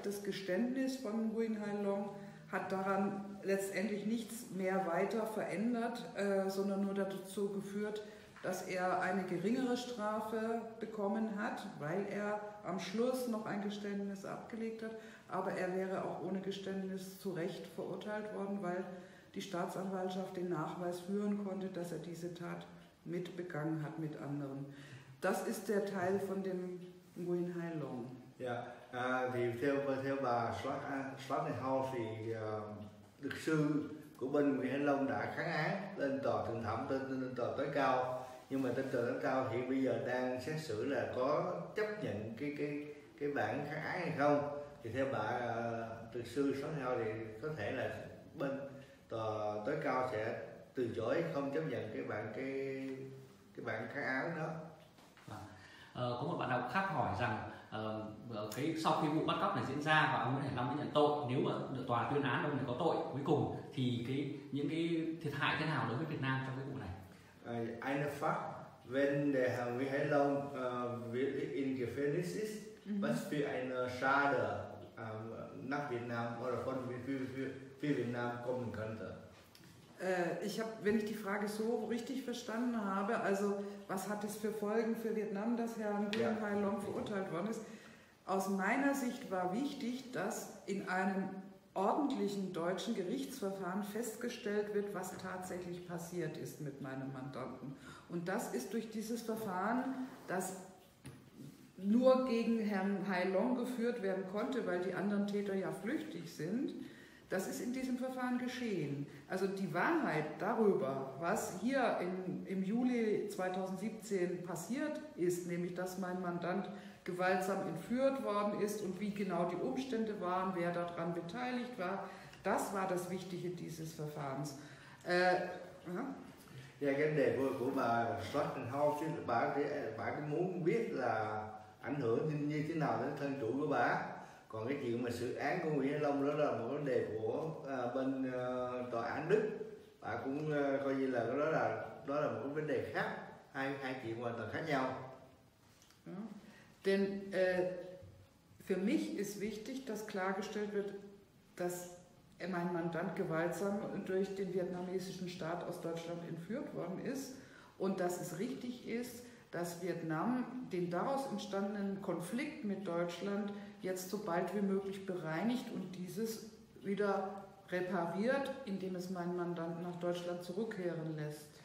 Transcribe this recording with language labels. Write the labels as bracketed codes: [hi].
[de] Das Geständnis von Nguyen Hai Long hat daran letztendlich nichts mehr weiter verändert, sondern nur dazu geführt, dass er eine geringere Strafe bekommen hat, weil er am Schluss noch ein Geständnis abgelegt hat. Aber er wäre auch ohne Geständnis zu Recht verurteilt worden, weil die Staatsanwaltschaft den Nachweis führen konnte, dass er diese Tat mitbegangen hat mit anderen. Das ist der Teil von dem Nguyen Hai Long. Ja, die [vi] Nguyen Hai Long nhưng mà tên tòa án cao thì bây giờ đang xét xử là có chấp nhận cái bản kháng án hay không, thì theo bà luật sư Sơn Hào thì có thể là bên tòa tối cao sẽ từ chối không chấp nhận cái bản kháng án đó. Có một bạn nào khác hỏi rằng cái sau khi vụ bắt cóc này diễn ra và ông Nguyễn Hải Long mới nhận tội, nếu mà được tòa tuyên án ông này có tội cuối cùng thì những cái thiệt hại thế nào đối với Việt Nam trong cái vụ này? [de] Eine Frage, wenn der Herr Nguyễn Long in Gefängnis ist, was für eine Schade nach Vietnam oder von für Vietnam kommen könnte? Ich habe, wenn ich die Frage so richtig verstanden habe, also was hat es für Folgen für Vietnam, dass Herr Nguyễn Hải Long verurteilt worden ist? Aus meiner Sicht war wichtig, dass in einem ordentlichen deutschen Gerichtsverfahren festgestellt wird, was tatsächlich passiert ist mit meinem Mandanten. Und das ist durch dieses Verfahren, das nur gegen Herrn Hai Long geführt werden konnte, weil die anderen Täter ja flüchtig sind, das ist in diesem Verfahren geschehen. Also die Wahrheit darüber, was hier im Juli 2017 passiert ist, nämlich dass mein Mandant gewaltsam entführt worden ist und wie genau die Umstände waren, wer daran beteiligt war, das war das Wichtige dieses Verfahrens. [vi] Ja, vấn đề của bà Schottenhau, bà cũng muốn biết là ảnh hưởng như thế nào đến thân chủ của bà. Còn cái chuyện mà xử án của Nguyễn Long đó là một vấn đề của bên tòa án Đức. Bà cũng coi như là đó là một vấn đề khác. hai chuyện hoàn toàn khác nhau. [de] Ja. Denn für mich ist wichtig, dass klargestellt wird, dass mein Mandant gewaltsam durch den vietnamesischen Staat aus Deutschland entführt worden ist und dass es richtig ist, dass Vietnam den daraus entstandenen Konflikt mit Deutschland jetzt so bald wie möglich bereinigt und dieses wieder repariert, indem es meinen Mandanten nach Deutschland zurückkehren lässt.